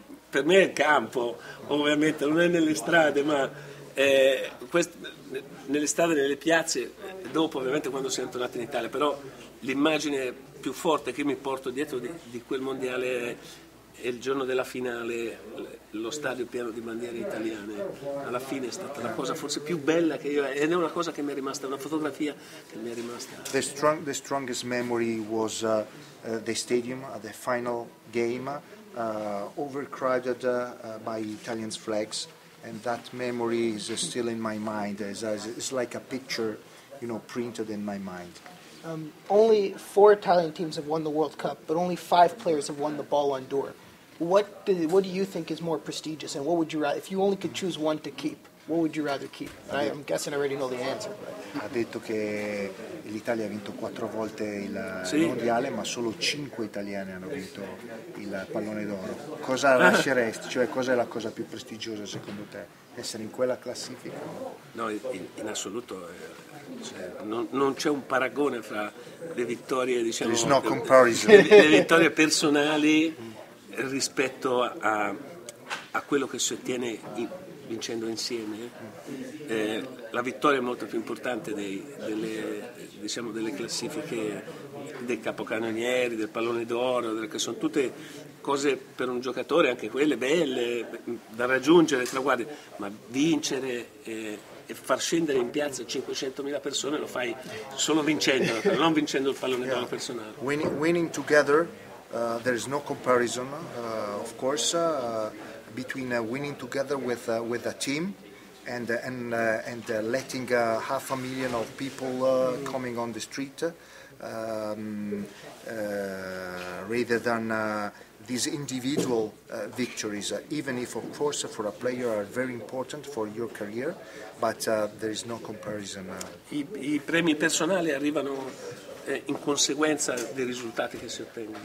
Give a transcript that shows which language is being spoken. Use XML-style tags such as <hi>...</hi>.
<it>Per me è il campo, ovviamente non è nelle strade, ma nelle strade, nelle piazze, dopo ovviamente quando siamo tornati in Italia, però l'immagine più forte che mi porto dietro di quel mondiale è il giorno della finale, lo stadio pieno di bandiere italiane. Alla fine è stata la cosa forse più bella che io, ed è una cosa che mi è rimasta, una fotografia che mi è rimasta.</it> <en>The strongest memory was the stadium at the final game, overcrowded by Italian flags. And that memory is still in my mind. It's like a picture, you know, printed in my mind. Only four Italian teams have won the World Cup, but only five players have won the Ballon d'Or. What do you think is more prestigious, and what would you rather, if you only could choose one to keep, what would you rather keep? I'm guessing I already know the answer.</en> <it>Ha detto che l'Italia ha vinto quattro volte il mondiale, ma solo cinque italiani hanno vinto il pallone d'oro. Cosa lasceresti? Cioè, cosa è la cosa più prestigiosa secondo te? Essere in quella classifica? No, in assoluto. Cioè, non c'è un paragone fra le vittorie, diciamo.</it> <en>There's no comparison.</en> <it>Le vittorie personali rispetto a quello che si ottiene vincendo insieme. La vittoria è molto più importante delle classifiche dei capocannonieri, del pallone d'oro, che sono tutte cose per un giocatore, anche quelle belle da raggiungere, traguardi, ma vincere e far scendere in piazza 500.000 persone lo fai solo vincendo, non vincendo il pallone d'oro personale.</it> <en>Winning together, there is no comparison, of course, between winning together with a team and letting half a million of people coming on the street rather than these individual victories, even if, of course, for a player are very important for your career, but there is no comparison.</en> <it>I premi personali arrivano in conseguenza dei risultati che si ottengono.</it>